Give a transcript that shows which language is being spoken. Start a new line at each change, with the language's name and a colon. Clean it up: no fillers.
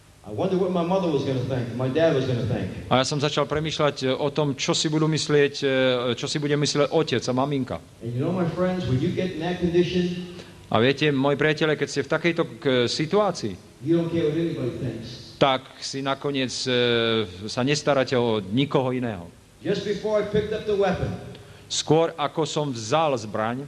English: I wonder what my mother was going to think, my dad was going to think.
Slovak: A ja som začal premýšľať o tom, čo si budú myslieť, čo si bude myslieť otec a maminka.
English: And you know, my friends, when you get in that condition.
Slovak: A viete, moji priatelia, keď ste v takejto situácii,
English: you don't care what anybody thinks.
Slovak: Tak si nakoniec sa nestaráte o nikoho iného.
English: Just before I picked up the weapon.
Slovak: Skôr ako som vzal zbraň,